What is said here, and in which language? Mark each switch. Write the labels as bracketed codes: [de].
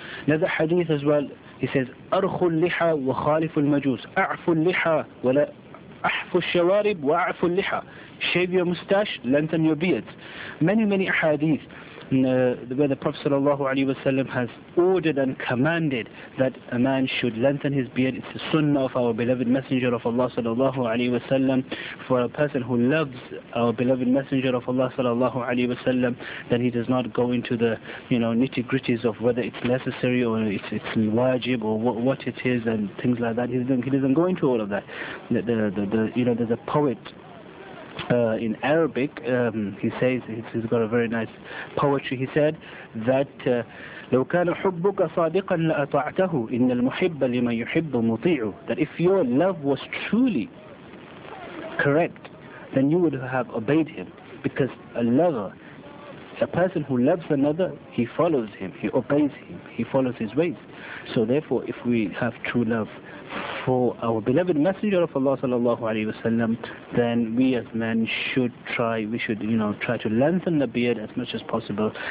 [en] Another hadith as well, he says, [ar] أَرْخُ الْلِحَى وَخَالِفُ الْمَجُوسِ أَعْفُ الْلِحَى وَلَا أَحْفُ الشَّوَارِبْ وَأَعْفُ الْلِحَى. [en] Shave your mustache, lengthen your beards. Many, many hadith where the Prophet sallallahu alayhi wasallam has ordered and commanded that a man should lengthen his beard. It's the sunnah of our beloved Messenger of Allah sallallahu alayhi wasallam. For a person who loves our beloved Messenger of Allah sallallahu alayhi wasallam, then he does not go into the, you know, nitty gritties of whether it's necessary or it's wajib or what it is and things like that. He doesn't go into all of that. There's a poet in Arabic, he says, he's got a very nice poetry. He said that [ar] لو كان حبك صادقا لأطعته إن المحب لما يحب مطيع. [en] That if your love was truly correct, then you would have obeyed him, because a lover, a person who loves another, he follows him, he obeys him, he follows his ways. So therefore, if we have true love for our beloved Messenger of Allah sallallahu alayhi wasallam, then we as men should try, we should try to lengthen the beard as much as possible.